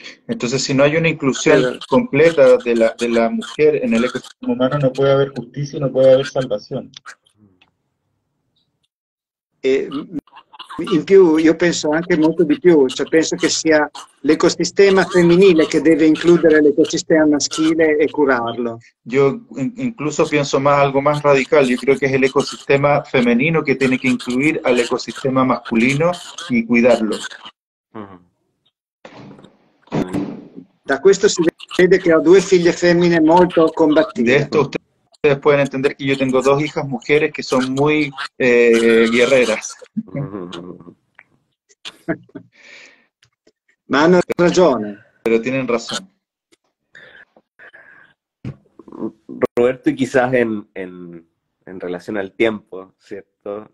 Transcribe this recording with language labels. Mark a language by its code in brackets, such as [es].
[es] Entonces, si no hay una inclusión completa de la mujer en el ecosistema humano, no puede haber justicia y no puede haber salvación. En più, yo pienso [it] anche molto di più, cioè penso [es] que sea el ecosistema femminile que debe incluir el ecosistema maschile y curarlo. Yo incluso pienso más algo más radical, yo creo que es el ecosistema femenino que tiene que incluir al ecosistema masculino y cuidarlo. [it] Da questo si vede che ho due figlie femmine molto combattive. [es] De esto ustedes pueden entender que yo tengo dos hijas mujeres que son muy guerreras. [it] Ma hanno ragione. [es] Pero tienen razón. Roberto, y quizás en relación al tiempo, ¿cierto?